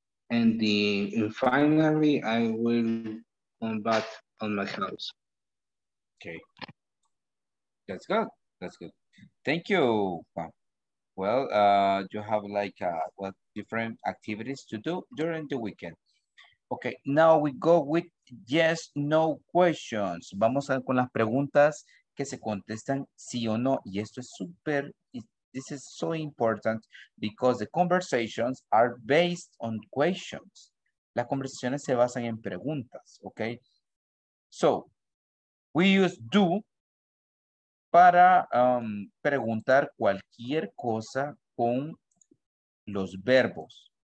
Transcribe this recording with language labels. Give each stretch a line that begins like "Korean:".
English: And finally, I will come back on my house. Okay, that's good. Thank you, Juan. Well, you have like different activities to do during the weekend. Okay, now we go with yes, no questions.
Spanish: Vamos a con las preguntas que se contestan sí o no. Y esto es súper,
English: this is so important because the conversations are based on questions.
Spanish: Las conversaciones se basan en preguntas, okay?
English: So, we use do
Spanish: para preguntar cualquier cosa con los verbos.